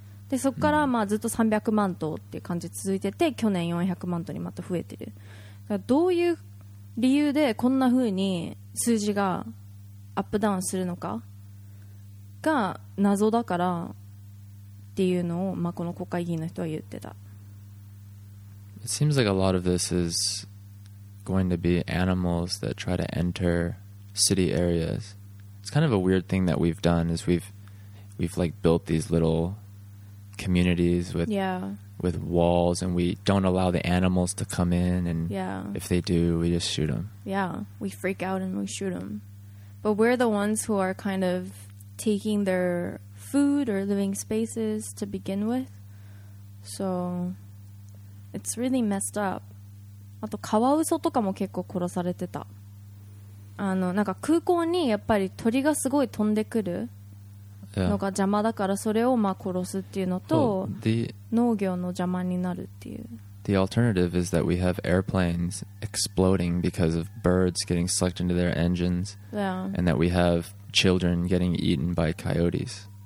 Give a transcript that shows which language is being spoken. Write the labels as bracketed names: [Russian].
[Japanese] でそこからまあずっと300万頭っていう感じ続いてて、去年400万頭にまた増えてる。だからどういう理由でこんな風に数字がアップダウンするのかが謎だからっていうのを、まあ、この国会議員の人は言ってた。 [English] It seems like a lot of this is going to be animals that try to enter city areas. It's kind of a weird thing that we've done is we've like built these little communities with with walls, and we don't allow the animals to come in, and if they do, we just shoot them. Yeah, we freak out and we shoot them. But we're the ones who are kind of taking their food or living spaces to begin with. So it's really messed up. [Japanese] あとカワウソとかも結構殺されてた。あのなんか空港にやっぱり鳥がすごい飛んでくるのが邪魔だから、それをまあ殺すっていうのと、農業の邪魔になるっていう。 [English] The alternative is that we have airplanes exploding because of birds getting sucked into their engines. Yeah. And that we have children getting eaten by coyotes.